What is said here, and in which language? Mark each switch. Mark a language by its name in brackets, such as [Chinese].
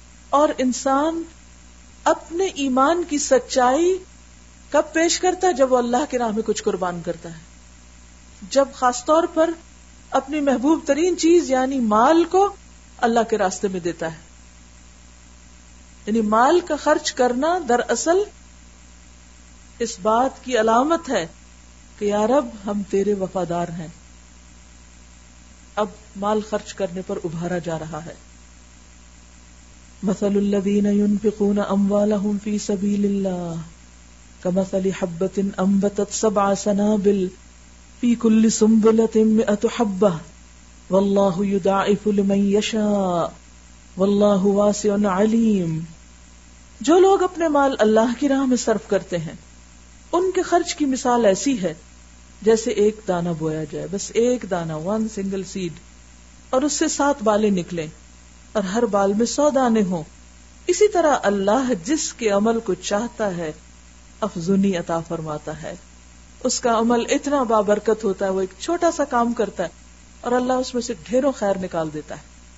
[Urdu] اور انسان اپنے ایمان کی سچائی کب پیش کرتا ہے؟ جب وہ اللہ کے راہ میں کچھ قربان کرتا ہے, جب خاص طور پر اپنی محبوب ترین چیز یعنی مال کو اللہ کے راستے میں دیتا ہے. یعنی مال کا خرچ کرنا دراصل اس بات کی علامت ہے کہ یا رب ہم تیرے وفادار ہیں. اب مال خرچ کرنے پر ابھارا جا رہا ہے. [Arabic] مثل الذين ينفقون اموالهم في سبيل الله كمثل حبة انبتت سبع سنابل في كل سنبلة مئة حبة والله يضاعف لمن يشاء والله واسع عليم. [Urdu] جو لوگ اپنے مال اللہ کی راہ میں صرف کرتے ہیں ان کے خرچ کی مثال ایسی ہے جیسے ایک دانہ بویا جائے, بس ایک دانہ, [English] one single seed, [Urdu] اور اس سے سات بالیں نکلیں اور ہر بال میں سو دانے ہوں. اسی طرح اللہ جس کے عمل کو چاہتا ہے افزونی عطا فرماتا ہے, اس کا عمل اتنا بابرکت ہوتا ہے, وہ ایک چھوٹا سا کام کرتا ہے اور اللہ اس میں سے ڈھیروں خیر نکال دیتا ہے.